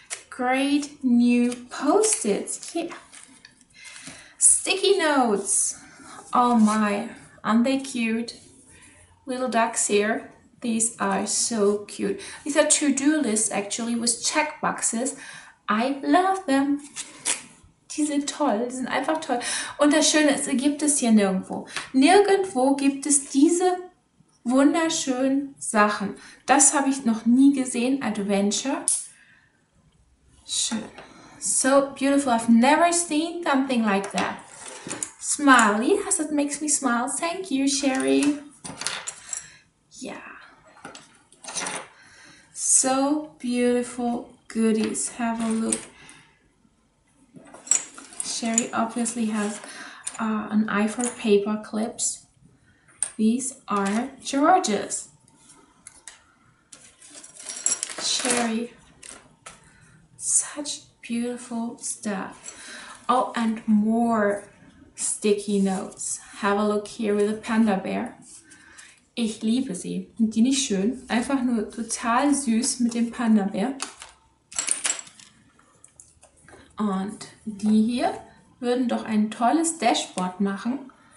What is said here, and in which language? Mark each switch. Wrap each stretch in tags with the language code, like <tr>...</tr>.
<en>Great new post-its. Yeah. Sticky notes. Oh my, aren't they cute? Little ducks here. These are so cute. These are to-do lists actually with check boxes. I love them.</en> <de>Die sind toll. Die sind einfach toll. Und das Schöne ist, gibt es hier nirgendwo. Nirgendwo gibt es diese wunderschönen Sachen. Das habe ich noch nie gesehen. Adventure. Schön.</de> <en>So beautiful. I've never seen something like that. Smile. Yes, it makes me smile. Thank you, Sherry. Yeah, so beautiful goodies. Have a look. Sherry obviously has an eye for paper clips. These are gorgeous. Sherry, such beautiful stuff. Oh, and more sticky notes. Have a look here with a panda bear.</en> <de>Ich liebe sie. Sind die nicht schön? Einfach nur total süß mit dem Panda-Bär. Und die hier würden doch ein tolles Dashboard machen.</de>